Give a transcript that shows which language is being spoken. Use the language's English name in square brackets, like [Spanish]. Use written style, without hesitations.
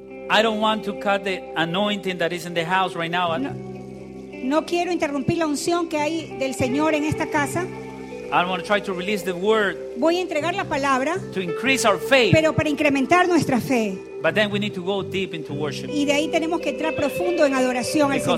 [English] I don't want to cut the anointing that is in the house right now. [Spanish] No, no quiero interrumpir la unción que hay del Señor en esta casa. [English] I want to try to release the word. [Spanish] Voy a entregar la palabra. [English] To increase our faith. [Spanish] Pero para incrementar nuestra fe. [English] But then we need to go deep into worship. [Spanish] Y de ahí tenemos que entrar profundo en adoración al Señor.